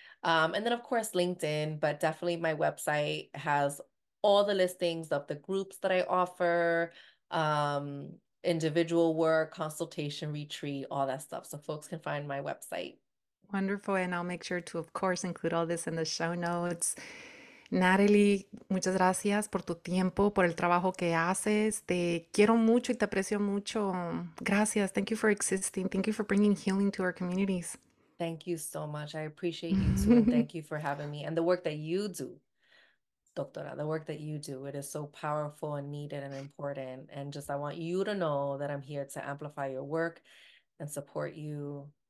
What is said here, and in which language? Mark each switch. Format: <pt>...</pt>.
<en>And then of course LinkedIn, but definitely my website has all the listings of the groups that I offer, individual work, consultation, retreat, all that stuff. So folks can find my website. Wonderful. And I'll make sure to, of course, include all this in the show notes.</en> <es>Natalie, muchas gracias por tu tiempo, por el trabajo que haces. Te quiero mucho y te aprecio mucho.</es> <en>Gracias. Thank you for existing. Thank you for bringing healing to our communities. Thank you so much. I appreciate you too. And thank you for having me and the work that you do, doctora, the work that you do. It is so powerful and needed and important. And just, I want you to know that I'm here to amplify your work and support you.</en>